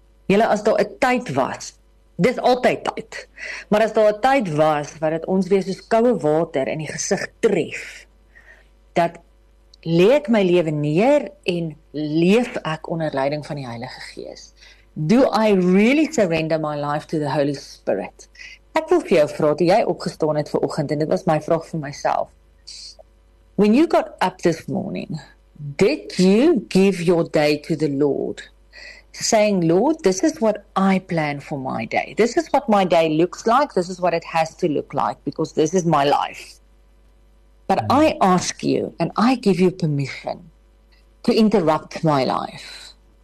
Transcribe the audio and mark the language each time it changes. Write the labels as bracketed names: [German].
[Afrikaans] Julle, as daar 'n tyd was, dis altyd tyd, maar as daar 'n tyd was waar dit ons weer soos koue water in die gesig tref, dat lê ek my lewe neer en leef ek onder leiding van die Heilige Gees. [English] Do I really surrender my life to the Holy Spirit? [Afrikaans] Ek wil vir jou vra, toe jy opgestaan het vanoggend, en dit was my vraag vir myself. [English] When you got up this morning, did you give your day to the Lord? Saying, Lord, this is what I plan for my day. This is what my day looks like. This is what it has to look like because this is my life. But I ask you and I give you permission to interrupt my life.